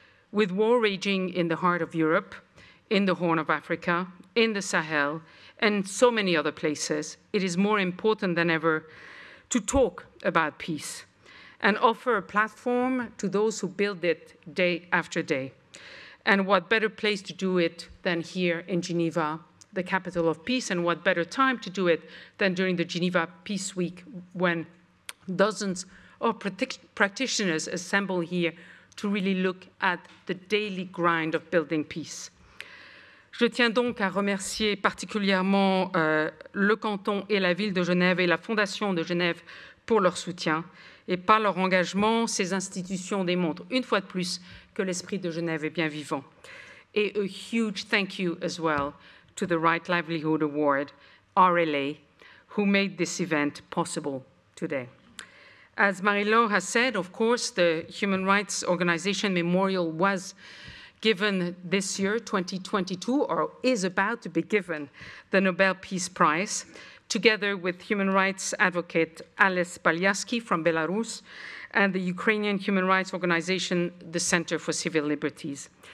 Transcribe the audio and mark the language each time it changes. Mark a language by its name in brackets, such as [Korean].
[English] With war raging in the heart of Europe, in the Horn of Africa, in the Sahel, and so many other places, it is more important than ever to talk about peace and offer a platform to those who build it day after day. And what better place to do it than here in Geneva, the capital of peace, and what better time to do it than during the Geneva Peace Week, when dozens of practitioners assemble here to really look at the daily grind of building peace. [French] Je tiens donc à remercier particulièrement le canton et la ville de Genève et la Fondation de Genève pour leur soutien. Et par leur engagement, ces institutions démontrent une fois de plus que l'esprit de Genève est bien vivant. [English] Et a huge thank you as well to the Right Livelihood Award, RLA, who made this event possible today. As Marie-Laure has said, of course, the Human Rights Organization Memorial was given this year, 2022, or is about to be given the Nobel Peace Prize, together with human rights advocate Alice Balyaski from Belarus and the Ukrainian human rights organization, the Center for Civil Liberties.